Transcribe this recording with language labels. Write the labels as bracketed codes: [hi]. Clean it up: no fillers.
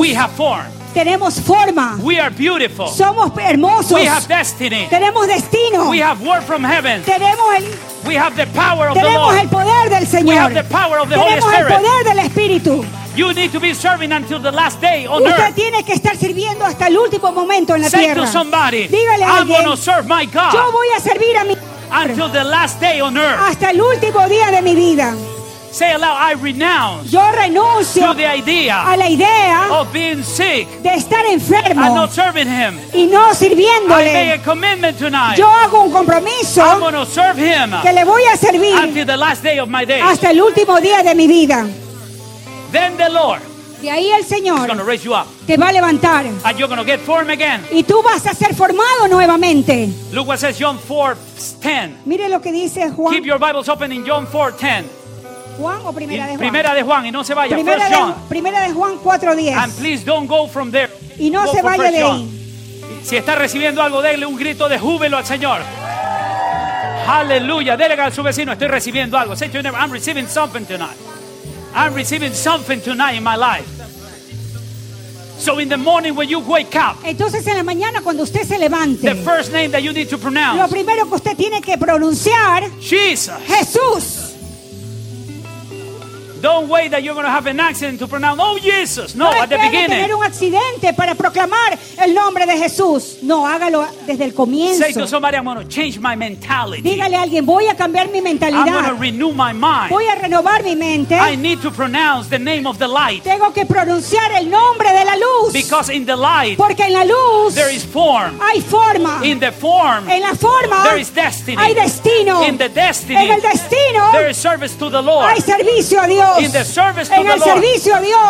[en] We have form. [es] Tenemos forma. [en] We are beautiful. [es] Somos hermosos. [en] We have destiny. [es] Tenemos destino. [en] We have word from heaven. [es] Tenemos el [en] We have the power of [es] Tenemos [en] the Lord. [es] El poder del Señor. [en] We have the power of the [es] Tenemos [en] Holy Spirit. [es] Tenemos el poder del Espíritu. [en] You need to be serving until the last day on [es] Usted [en] earth. [es] Usted tiene que estar sirviendo hasta el último momento en la [en] Say [es] tierra. [en] To somebody, [es] Dígale a [en] I'm [es] alguien. [en] I'm going to serve my God. [es] Yo voy a servir a mi [en] Until the last day on earth. [es] Hasta el último día de mi vida. [en] Say aloud, I renounce [es] Yo renuncio [en] to the idea, [es] a la idea [en] of being sick [es] de estar enfermo [en] and not serving him. [es] Y no sirviéndole. [en] I make a commitment tonight. [es] Yo hago un compromiso [en] I'm going to serve him [es] que le voy a servir [en] until the last day of my days. [es] Hasta el último día de mi vida. [en] Then the Lord [es] de ahí el Señor [en] is going to raise you up. [es] Te va a levantar. [en] And you're going to get form again. [es] Y tú vas a ser formado nuevamente. [en] Look what says John 4:10. [es] Mire lo que dice Juan. [en] Keep your Bibles open in John 4:10. [es] Juan o primera de Juan. Primera de Juan y no se vaya. Primera [en] First John. [es] Primera de Juan 4:10. [en] And please don't go from there. [es] Y no [en] go [es] se vaya de ahí. Si está recibiendo algo, déle un grito de júbilo al Señor. Aleluya. Dele a su vecino, estoy recibiendo algo. [en] Say to your neighbor, I'm receiving something tonight. I'm receiving something tonight in my life. So in the morning when you wake up. [es] Entonces en la mañana cuando usted se levante. [en] The first name that you need to pronounce. [es] Lo primero que usted tiene que pronunciar. [en] Jesus. [es] Jesús. [en] Don't wait that you're going to have an accident to pronounce, oh Jesus. [es] No, no [en] at the beginning. [es] No esperes tener un accidente para proclamar el nombre de Jesús. No, hágalo desde el comienzo. [en] Say to somebody, I'm going to change my mentality. [es] Dígale a alguien, voy a cambiar mi mentalidad. [en] I'm going to renew my mind. [es] Voy a renovar mi mente. [en] I need to pronounce the name of the light. [es] Tengo que pronunciar el nombre de la luz. [en] Because in the light, [es] porque en la luz, [en] there is form. [es] Hay forma. [en] In the form, [es] en la forma, [en] there is destiny. [es] Hay destino. [en] In the destiny, [es] en el destino, [en] there is service to the Lord. [es] Hay servicio a Dios. [en] In the service to [es] en el [en] the [es] servicio [en] Lord, [es] a Dios